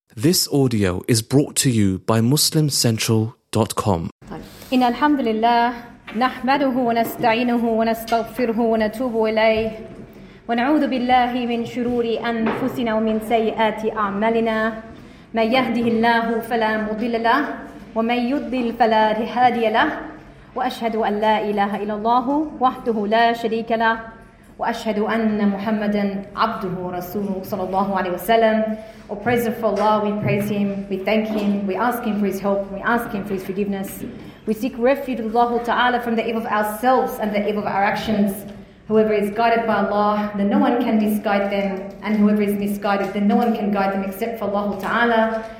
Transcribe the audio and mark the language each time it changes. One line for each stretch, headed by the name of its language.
English: This audio is brought to you by MuslimCentral.com.
Arabic: إن الحمد لله نحمده ونستعينه ونستغفره ونتوب إليه ونعوذ بالله من شرور أنفسنا ومن سيئات أعمالنا من يهده الله فلا مضل له ومن يضلل فلا هادي له وأشهد أن لا إله إلا الله وحده لا شريك له وأشهد أن محمدًا عبده ورسوله صلى الله عليه وسلم.
English: O praise for Allah, we praise Him, we thank Him, we ask Him for His help, we ask Him for His forgiveness. We seek refuge with Allah Ta'ala from the evil of ourselves and the evil of our actions. Whoever is guided by Allah, then no one can misguide them, and whoever is misguided, then no one can guide them except for Allah Ta'ala.